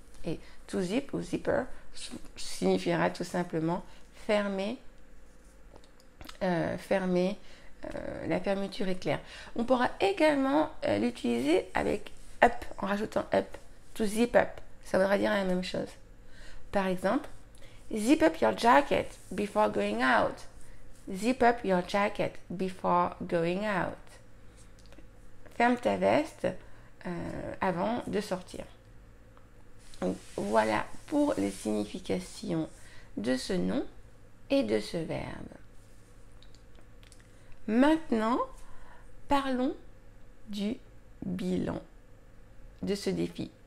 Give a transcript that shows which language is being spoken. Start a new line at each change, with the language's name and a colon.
French: Et
English: to zip
French: ou zipper signifiera tout simplement fermer, fermer la fermeture éclair. On pourra également l'utiliser avec up, en rajoutant up,
English: to zip up.
French: Ça voudra dire la même chose. Par exemple,
English: zip up your jacket before going out. Zip up your jacket before going out.
French: Ferme ta veste avant de sortir. Donc, voilà pour les significations de ce nom et de ce verbe. Maintenant, parlons du bilan de ce défi.